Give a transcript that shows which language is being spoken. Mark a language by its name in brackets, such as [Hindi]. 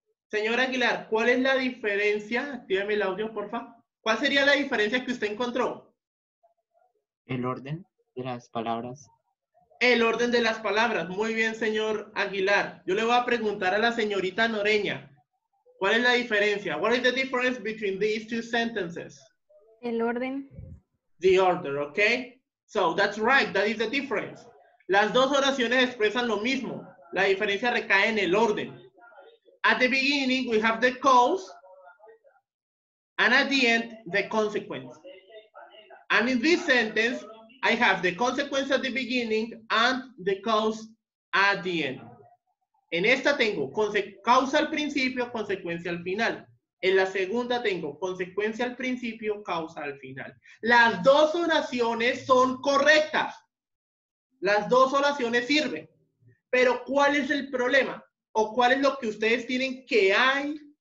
[Spanish] Señor Aguilar, ¿cuál es la diferencia? Actívame el audio, porfa. ¿Cuál sería la diferencia que usted encontró? El orden de las palabras. El orden de las palabras. Muy bien, señor Aguilar. Yo le voy a preguntar a la señorita Noreña. ¿Cuál es la diferencia? [English] What is the difference between these two sentences? [Spanish] El orden. [English] The order, okay. So that's right, that is the difference. [Spanish] Las dos oraciones expresan lo mismo. La diferencia recae en el orden. [English] At the beginning, we have the cause, and at the end, the consequence. And in this sentence, I have the consequence at the beginning and the cause at the end. [Spanish] En esta tengo causa al principio, consecuencia al final. En la segunda tengo consecuencia al principio, causa al final. Las dos oraciones son correctas. Las dos oraciones sirven. Pero ¿cuál es el problema? ¿O cuál es lo que ustedes tienen que hay?